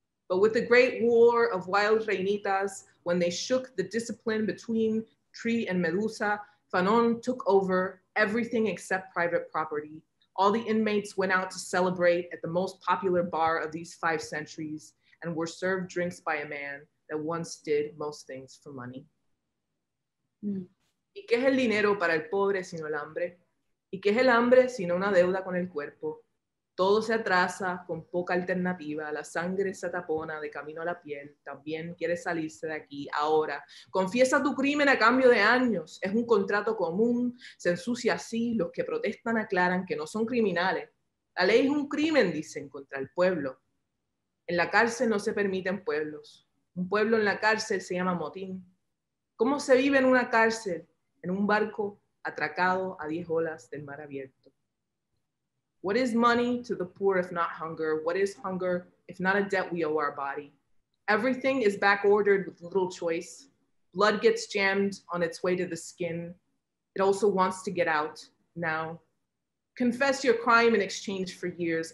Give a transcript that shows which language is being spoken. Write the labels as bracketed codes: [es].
[en] But with the great war of wild reinitas, when they shook the discipline between tree and medusa, Fanon took over everything except private property. All the inmates went out to celebrate at the most popular bar of these five centuries and were served drinks by a man that once did most things for money. [es] ¿Y qué es el dinero para el pobre sino el hambre? ¿Y qué es el hambre sino una deuda con el cuerpo? Todo se atrasa con poca alternativa, la sangre se tapona de camino a la piel, también quieres salirse de aquí, ahora. Confiesa tu crimen a cambio de años, es un contrato común, se ensucia así, los que protestan aclaran que no son criminales. La ley es un crimen, dicen, contra el pueblo. En la cárcel no se permiten pueblos. Un pueblo en la cárcel se llama motín. ¿Cómo se vive en una cárcel, en un barco atracado a 10 olas del mar abierto? [en] What is money to the poor if not hunger? What is hunger if not a debt we owe our body? Everything is backordered with little choice. Blood gets jammed on its way to the skin. It also wants to get out now. Confess your crime in exchange for years.